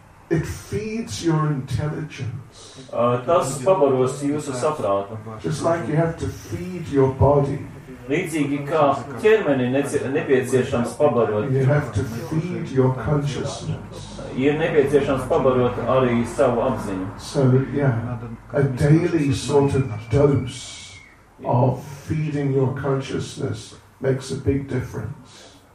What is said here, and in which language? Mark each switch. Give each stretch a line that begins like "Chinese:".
English: It feeds your intelligence.
Latvian: Tas pabaros jūsu saprātu.
English: Just like you have to feed your body.
Latvian: Līdzīgi kā ķermeni nepieciešams pabarot.
English: You have to feed your consciousness.
Latvian: Ir nepieciešams pabarot arī savu apziņu.
English: So, yeah, a daily sort of dose of feeding your consciousness makes a big difference.